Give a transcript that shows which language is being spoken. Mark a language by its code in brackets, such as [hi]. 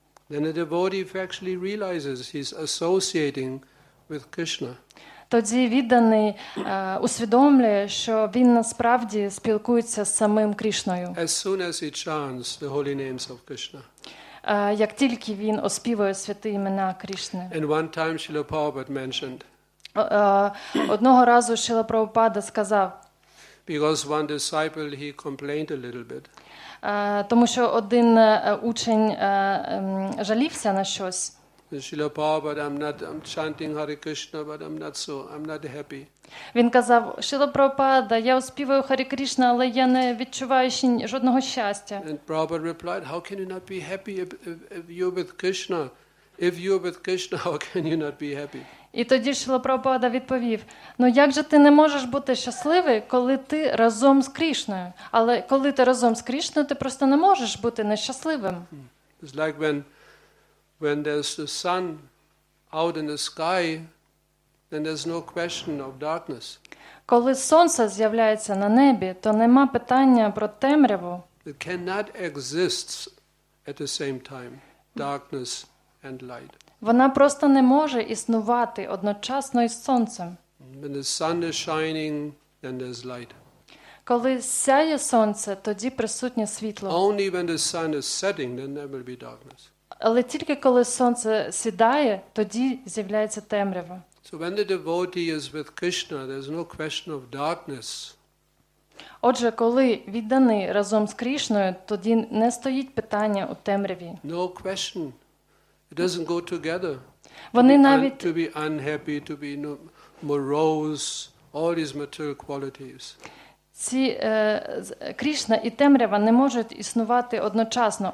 [en] Then the devotee actually realizes he's associating with Krishna. [uk] Тоді відданий усвідомлює, що він насправді спілкується з самим Кришною. [en] As soon as he chants the holy names of Krishna. [uk] Як тільки він оспівує святі імена Кришни. [en] And one time Śrīla Prabhupāda mentioned. [uk] Одного разу Śrīla Prabhupāda сказав. [en] Because one disciple he complained a little bit. [uk] Тому що один учень жалівся на щось. [en] Śrīla Prabhupāda, I'm chanting Hare Krishna, but I'm not happy. [uk] Він казав: Śrīla Prabhupāda, я співаю Харе Кришна, але я не відчуваю жодного щастя. [en] And Prabhupāda replied, how can you not be happy if you're with Krishna? If you're with Krishna, how can you not be happy? [uk] І тоді Śrīla Prabhupāda відповів: ну як же ти не можеш бути щасливий, коли ти разом з Кришною? Але коли ти разом з Кришною, ти просто не можеш бути нещасливим. [en] It's like when there's the sun out in the sky, then there's no question of darkness. [uk] Коли сонце з'являється на небі, то нема питання про темряву. [en] It cannot exist at the same time, darkness and light. [uk] Вона просто не може існувати одночасно із сонцем. [en] When the sun is shining, then there's light. [uk] Коли сяє сонце, тоді присутнє світло. [en] Only when the sun is setting, then there will be darkness. [uk] Але тільки коли сонце сідає, тоді з'являється темрява. [en] So when the devotee is with Krishna, there's no question of darkness. [uk] Отже, коли відданий разом з Кришною, тоді не стоїть питання у темряві. [en] No question. It doesn't go together. [uk] Вони навіть [en] to be unhappy, to be morose, all these material qualities. [uk] Ці Кришна і темрява не можуть існувати одночасно.